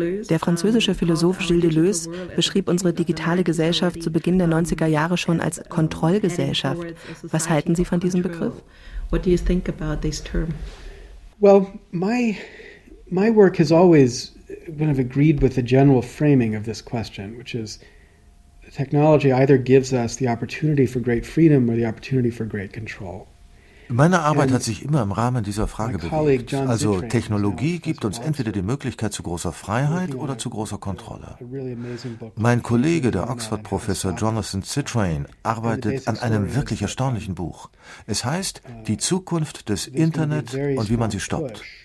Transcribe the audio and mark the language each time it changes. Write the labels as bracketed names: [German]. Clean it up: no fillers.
[German] Der französische Philosoph Gilles Deleuze beschrieb unsere digitale Gesellschaft zu Beginn der 90er Jahre schon als Kontrollgesellschaft. Was halten Sie von diesem Begriff? [English] Well, my work has always kind of agreed with the general framing of this question, which is technology either gives us the opportunity for great freedom or the opportunity for great control. [German] Meine Arbeit hat sich immer im Rahmen dieser Frage bewegt. Also Technologie gibt uns entweder die Möglichkeit zu großer Freiheit oder zu großer Kontrolle. Mein Kollege, der Oxford-Professor Jonathan Citrain, arbeitet an einem wirklich erstaunlichen Buch. Es heißt Die Zukunft des Internet und wie man sie stoppt.